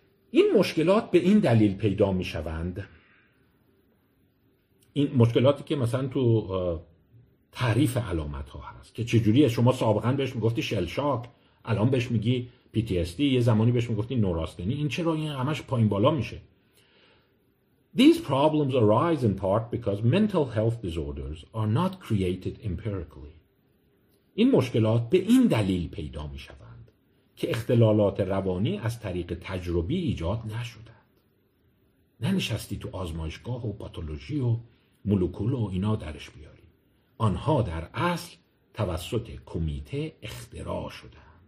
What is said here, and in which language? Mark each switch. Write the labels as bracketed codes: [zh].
[fa] این مشکلات به این دلیل پیدا میشوند، این مشکلاتی که مثلا تو تعریف علامت ها هست که چجوریه، شما سابقا بهش میگفتی شل شاک، الان بهش میگی PTSD، یه زمانی بهش میگفتی نوراستنی، این چرا این همش پایین بالا میشه. [en] These problems arise in part because mental health disorders are not created empirically. [fa] این مشکلات به این دلیل پیدا میشوند که اختلالات روانی از طریق تجربی ایجاد نشدند. ننشستی تو آزمایشگاه و پاتولوژی و مولکول و اینا درش بیاری. آنها در اصل توسط کمیته اختراع شدند.